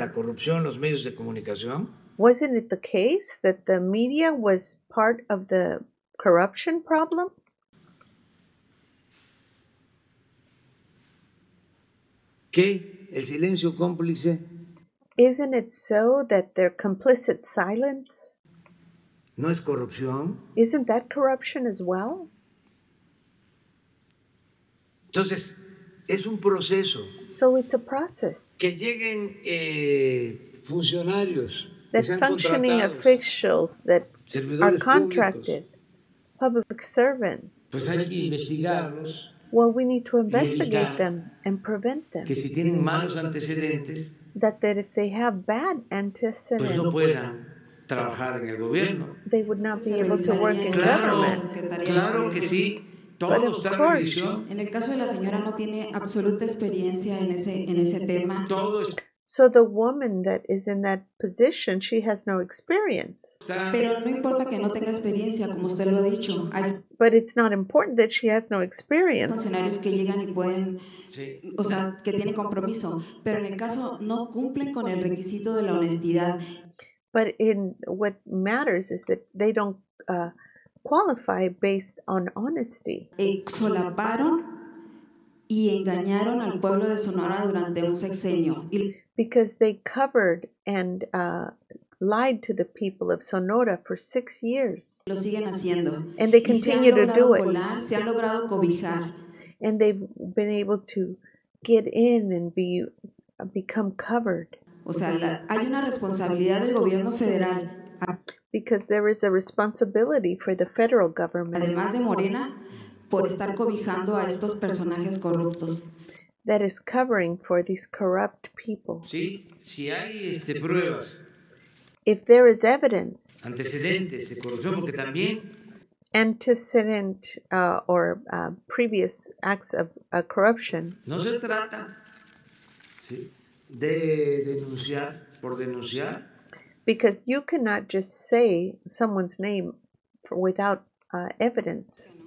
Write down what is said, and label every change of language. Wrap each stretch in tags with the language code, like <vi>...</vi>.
<es>De la corrupción los medios de comunicación?</es> <en>Wasn't it the case that the media was part of the corruption problem?</en> <es>¿Qué? ¿El silencio cómplice?</es> <en>Isn't it so that their complicit silence?</en> <es>¿No es corrupción?</es> <en>Isn't that corruption as well?</en> <es>Entonces, es un proceso.</es> <en>So it's a process.</en> <es>Que lleguen funcionarios,</es> <en>that functioning officials that are contracted,</en> <es>públicos,</es> <en>public servants.</en> <es>Pues hay que investigarlos.</es> <en>Well, we need to investigate them and prevent them.</en> <es>Que si tienen malos antecedentes,</es> <en>that that if they have bad antecedents,</en> <es>pues no puedan trabajar en el gobierno.</es> <en>They would not be able to work in government.</en> <es>Claro que sí. Todo está en revisión. En el caso de la señora no tiene absoluta experiencia en ese tema. Todo es.</es> <en>So the woman that is in that position, she has no experience.</en> <es>Pero no importa que no tenga experiencia, como usted lo ha dicho.</es> <en>But it's not important that she has no experience.</en> <es>Funcionarios que llegan y pueden, sí. O sea, que tienen compromiso, pero en el caso no cumplen con el requisito de la honestidad.</es> <en>But in what matters is that they don't qualify based on honesty.</en> <es>Solaparon y engañaron al pueblo de Sonora durante un sexenio.</es> <en>Because they covered and lied to the people of Sonora for 6 years.</en> <es>Lo siguen haciendo.</es> <en>And they continue to do it.</en> <es>Se han logrado cobijar.</es> <en>And they've been able to get in and become covered.</en> <es>O sea, hay una responsabilidad del gobierno federal.</es> <en>Because there is a responsibility for the federal government.</en> <es>Además de Morena, por estar cobijando a estos personajes corruptos.</es> <en>That is covering for these corrupt people.</en> <es>Sí, si hay pruebas.</es> <en>If there is evidence.</en> <es>Antecedentes de corrupción, porque también.</es> <en>Antecedent previous acts of corruption.</en> <es>No se trata, sí, de denunciar por denunciar.</es> <en>Because you cannot just say someone's name without evidence.</en>